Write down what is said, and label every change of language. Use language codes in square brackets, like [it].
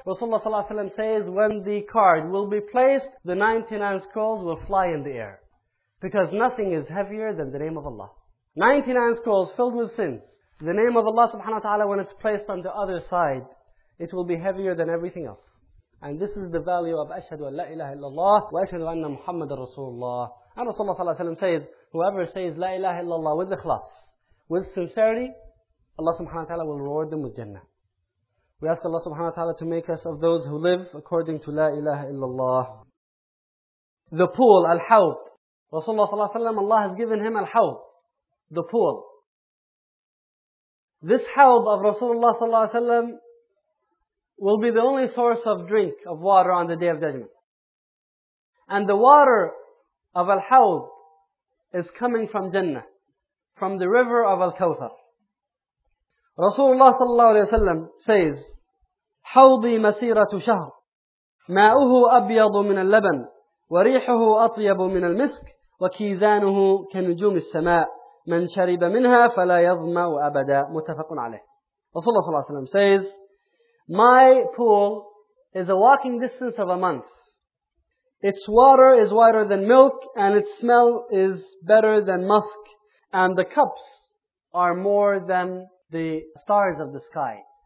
[en] Rasulullah صلى الله عليه وسلم says, when the card will be placed, the 99 scrolls will fly in the air. Because nothing is heavier than the name of Allah. 99 scrolls filled with sins. The name of Allah subhanahu wa ta'ala, when it's placed on the other side, it will be heavier than everything else. And this is the value of [ar] أشهد أن لا إله إلا الله وأشهد أن محمد رسول الله. [en] And Rasulullah صلى الله عليه وسلم says, whoever says [ar] لا إله إلا الله [en] with إخلاص, with sincerity, Allah subhanahu wa ta'ala will reward them with Jannah. We ask Allah subhanahu wa ta'ala to make us of those who live according to La ilaha illallah. The pool, al-hawb. Rasulullah sallallahu alayhi wa sallam, Allah has given him al-hawb, the pool. This hawb of Rasulullah sallallahu alayhi wa sallam will be the only source of drink of water on the Day of Judgment. And the water of al-hawb is coming from Jannah, from the river of al-Kawthar. Rasulullah sallallahu alayhi wa sallam says, [ar] حوضي مسيرة شهر ماؤه أبيض من اللبن وريحه أطيب من المسك وكيزانه كنجوم السماء من شرب منها فلا يظمأ أبدا متفق عليه. [en] Rasulullah sallallahu alayhi wa sallam says, my pool is a walking distance of a month. Its water is whiter than milk and its smell is better than musk and the cups are more than the stars of the sky.